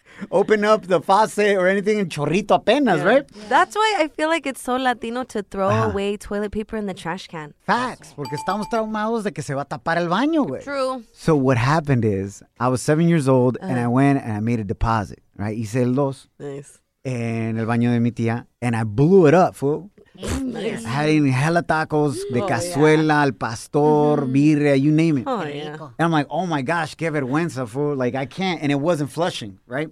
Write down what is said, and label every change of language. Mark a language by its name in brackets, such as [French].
[English] Open up the faucet or anything in [Spanish] chorrito apenas, [English] right? That's why I feel like it's so Latino to throw away toilet paper in the trash can. Facts, [Spanish] porque estamos traumados de que se va a tapar el baño, güey. [English] True. So what happened is, I was 7 years old and I went and I made a deposit, right? [Spanish] Hice el dos. [English] Nice. [Spanish] En el baño de mi tía [English] and I blew it up, fool. Nice. Having hella tacos de cazuela, al pastor, birria, you name it. Oh, yeah. And I'm like, oh my gosh, [Spanish] qué vergüenza, [English] fool. Like, I can't. And it wasn't flushing, right?